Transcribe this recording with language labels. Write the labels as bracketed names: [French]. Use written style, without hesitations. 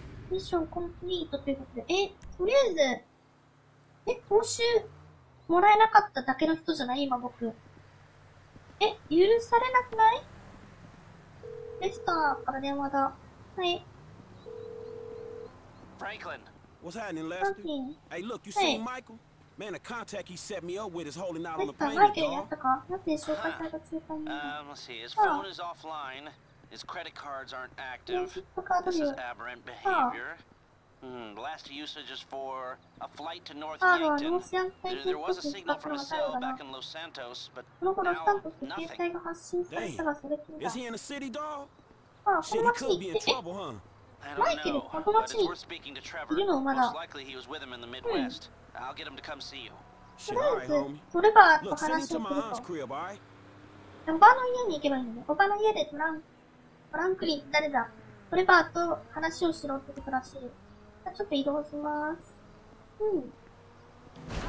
[Japanese] ミッションコンプリートということで、え、とりあえず、え、報酬もらえなかっただけの人じゃない今僕。え、許されなくない？レスターから電話だ。はい。 [English] フランクリン、What's happening, Lester? Hey, look, you see Michael? Man, the contact he set me up with is holding out on the plane. [Japanese] マイケルやったか？なんで紹介された中間に。 [English] Let's see, his phone is offline. His credit cards aren't active. This is aberrant behavior. Last usage is for a flight to North Yankton. There was a signal from a cell back in Los Santos, but now nothing. Dang. Is he in the city, dog? Shit, he could be in trouble, huh? I don't know, but it's worth speaking to Trevor. Most likely he was with him in the Midwest. I'll get him to come see you. Look, send him to my aunt's crib, all right? [Japanese] フランクリン、誰だ？トレバーと話をしろってことらしい。じゃあちょっと移動しまーす。うん。